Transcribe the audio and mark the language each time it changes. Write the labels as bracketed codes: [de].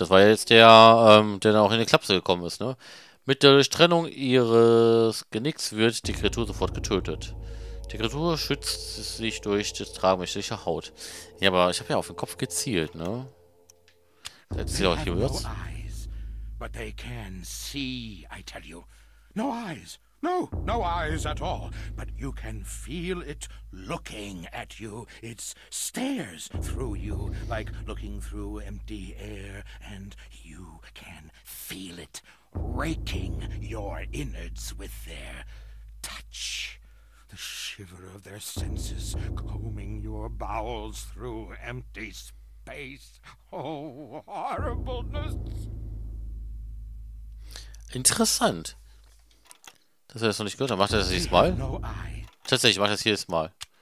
[de] Das war ja jetzt der, der dann auch in die Klapse gekommen ist, ne? Mit der Durchtrennung ihres Genicks wird die Kreatur sofort getötet. Die Kreatur schützt sich durch das Tragen menschlicher Haut. Ja, aber ich habe ja auf den Kopf gezielt, ne? Jetzt sieht auch hier wird's. [en] No eyes, but they can see, I tell you. No eyes. No, no eyes at all. But you can feel it looking at you. It stares through you, like looking through empty air. And you can feel it raking your innards with their touch. The shiver of their senses combing your bowels through empty space. Oh, horribleness! [de] Interessant. Dass er das noch nicht gehört hat. Macht er das jedes Mal? Tatsächlich, macht er das jedes Mal.